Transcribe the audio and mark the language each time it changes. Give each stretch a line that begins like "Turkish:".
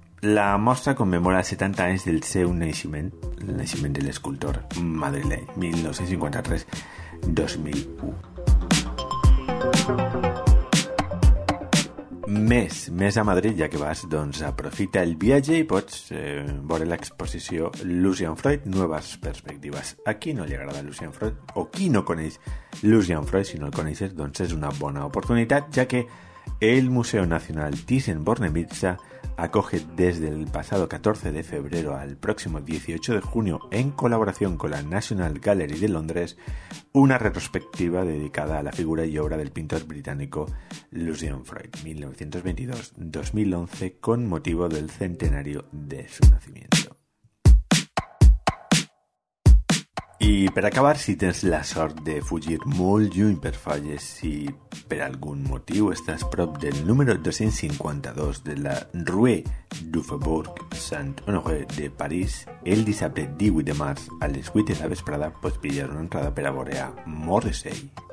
Catalan: La mostra conmemora 70 anys del seu naixement, el naixement de l'escultor madrileny, 1953-2001. Més a Madrid, ja que vas, doncs aprofita el viatge i pots veure l'exposició Lucian Freud, Nuevas Perspectivas.
Spanish: A qui no li agrada Lucian Freud, o qui no coneix Lucian Freud, si no el coneixes, doncs és una bona oportunitat, ja que el Museo Nacional Thyssen-Bornemisza acoge desde el pasado 14 de febrero al próximo 18 de junio, en colaboración con la National Gallery de Londres, una retrospectiva dedicada a la figura y obra del pintor británico Lucian Freud, 1922-2011, con motivo del centenario de su nacimiento.
Catalan: I per acabar, si tens la sort de fugir molt lluny per falles, si per algun motiu estàs prop del número 252 de la Rue du Faubourg Saint-Honoré de París, el dissabte 18 de març a les 8 de la vesprada pots pillar una entrada per a veure a Morrissey.